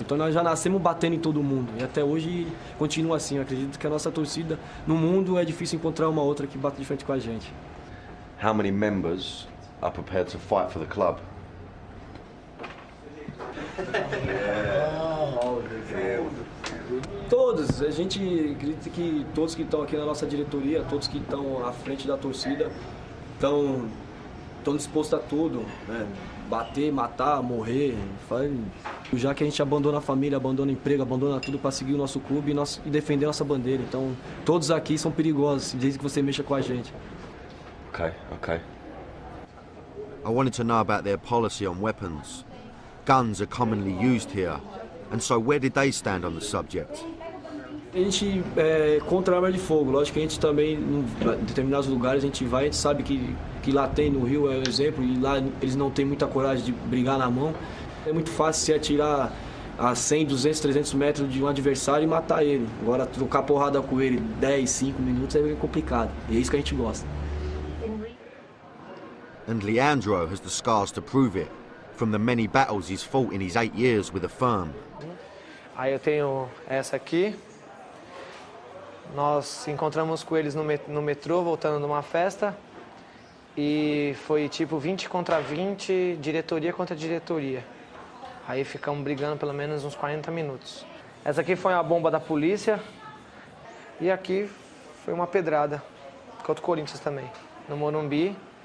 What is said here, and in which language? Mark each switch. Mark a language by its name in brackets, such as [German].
[Portuguese] Então nós já nascemos batendo em todo mundo e até hoje continua assim. Eu acredito que a nossa torcida no mundo é difícil encontrar uma outra que bata de frente com a gente. [English] How many members are prepared to fight for the club? [Portuguese] Todos, a gente acredita que todos que estão aqui na nossa diretoria, todos que estão à frente da torcida, estão dispostos a tudo, né? Bater, matar, morrer, já que a gente abandona a família, abandona o emprego, abandona tudo para seguir o nosso clube e defender a nossa bandeira. Então, todos aqui são perigosos, desde que você mexa com a gente. Ok, ok. [English] I wanted to know about their policy on weapons. Guns are commonly used here. And so where did they stand on the subject? [Portuguese] A gente é contra a arma de fogo. Lógico que a gente também, em determinados lugares, a gente vai, a gente sabe que lá tem, no Rio é um exemplo, e lá eles não têm muita coragem de brigar na mão. É muito fácil se atirar a 100, 200, 300 metros de um adversário e matar ele. Agora, trocar porrada com ele 10, 5 minutos é complicado. E é isso que a gente gosta. [English] And Leandro has the scars to prove it. From the many battles he's fought in his 8 years with the firm. [Portuguese] Aí eu tenho essa aqui. Nós encontramos com eles no metrô voltando de uma festa e foi tipo 20 contra 20, diretoria contra diretoria. Aí ficamos brigando pelo menos uns 40 minutos. Essa aqui foi uma bomba da polícia e aqui foi uma pedrada contra o Corinthians também, no Morumbi.